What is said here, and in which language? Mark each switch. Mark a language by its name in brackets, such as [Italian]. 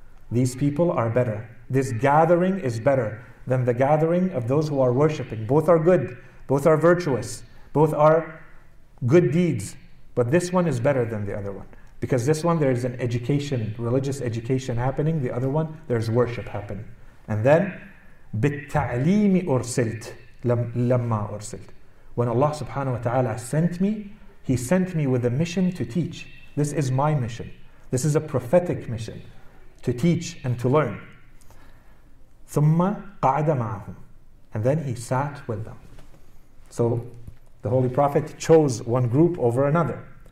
[English] These people are better. This gathering is better than the gathering of those who are worshipping. Both are good, both are virtuous, both are good deeds, but this one is better than the other one. Because this one, there's an education, religious education happening. The other one, there's worship happening. [Arabic] And then, بِالتَّعْلِيمِ أُرْسِلْتِ لَمَّا أُرْسِلْتِ. [English] When Allah subhanahu wa ta'ala sent me, He sent me with a mission to teach. This is my mission. This is a prophetic mission to teach and to learn. [Arabic] ثُمَّ قَعْدَ مَعَهُمْ. [English] And then He sat with them. So the Holy Prophet chose one group over another.